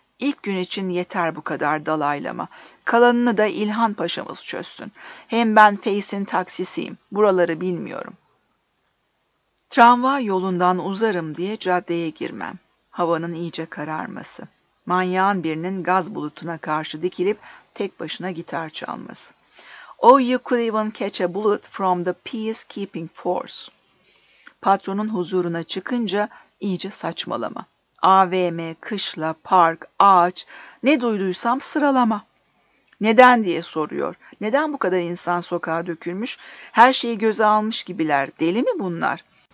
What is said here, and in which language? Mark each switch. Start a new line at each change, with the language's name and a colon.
Turkish: İlk gün için yeter bu kadar dalaylama. Kalanını da İlhan Paşa'mız çözsün. Hem ben Face'in taksisiyim. Buraları bilmiyorum. Tramvay yolundan uzarım diye caddeye girmem. Havanın iyice kararması. Manyağın birinin gaz bulutuna karşı dikilip tek başına gitar çalması.
English: Oh, you could even catch a bullet from the peacekeeping force.
Turkish: Patronun huzuruna çıkınca iyice saçmalama. AVM, kışla, park, ağaç, ne duyduysam sıralama. Neden diye soruyor. Neden bu kadar insan sokağa dökülmüş, her şeyi göze almış gibiler, deli mi bunlar?